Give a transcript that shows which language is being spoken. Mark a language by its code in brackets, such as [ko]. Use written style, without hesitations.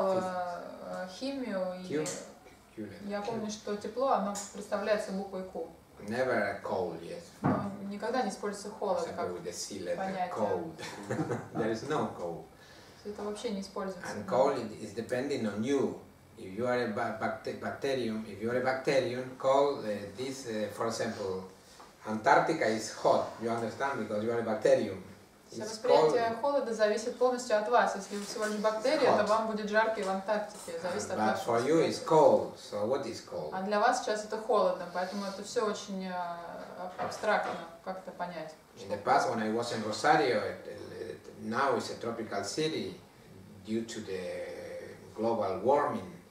[ru] Я изучал химию, и я помню, что тепло, оно представляется буквой Q. [en] Never cold, yes. [ru] Но никогда не используется холод как [en] with the C letter, [ru] понятие. [en] Cold. There is no cold. [ru] Это вообще не используется. [en] And cold is depending on you. If you are a bacterium, cold, this, for example, Antarctica is hot, you understand, because you are a bacterium. [ru] Все восприятие холода зависит полностью от вас. Если вы всего лишь бактерия, то вам будет жарко и в Антарктике. Зависит от [en] but [ru] вас. [en] For you it's cold. So what is cold? [ru] А для вас сейчас это холодно, поэтому это все очень абстрактно, как это понять. [en] In the past, when I was in Rosario, now it's a tropical city due to the global warming.